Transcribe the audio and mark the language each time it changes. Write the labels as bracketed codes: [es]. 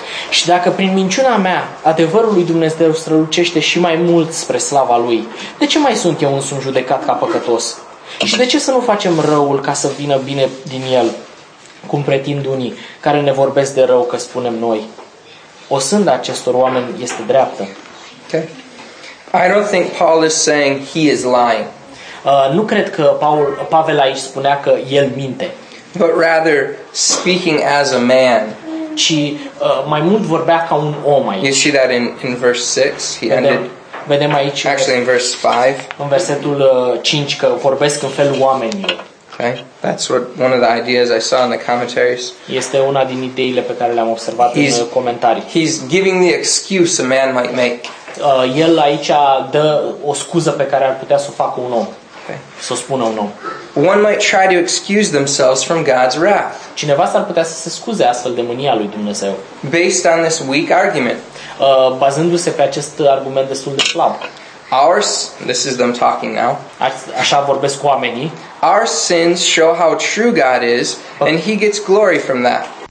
[ro] Și dacă prin minciuna mea adevărul lui Dumnezeu strălucește și mai mult spre slava lui, de ce mai sunt eu însumi judecat ca păcătos? Și de ce să nu facem răul ca să vină bine din el, cum pretind unii care ne vorbesc de rău că spunem noi? Osânda acestor oameni este dreaptă. [en] Okay. I don't think Paul is saying he is lying. [ro] Nu cred că Pavel aici spunea că el minte. [en] But rather speaking as a man. [ro] Ci mai mult vorbea ca un om aici. [en] You see that in verse 6, [ro] vedem aici. [en] Actually, in verse 5. [ro] În versetul 5 că vorbesc în felul oamenilor. [en] Okay, that's what one of the ideas I saw in the commentaries. [ro] Este una din ideile pe care le-am observat în comentarii. [en] He's giving the excuse a man might make. [ro] El aici dă o scuză pe care ar putea să o facă un om. Să o spună un om. [en] One might try to excuse themselves from God's wrath. [ro] Cineva s-ar putea să se scuze astfel de mânia lui Dumnezeu. [en] Based on this weak argument. [ro] Bazându-se pe acest argument destul de slab. [en] Ours, this is them talking now. [ro] Așa vorbesc cu oamenii. [en] Our sins show how true God is and he gets glory from that.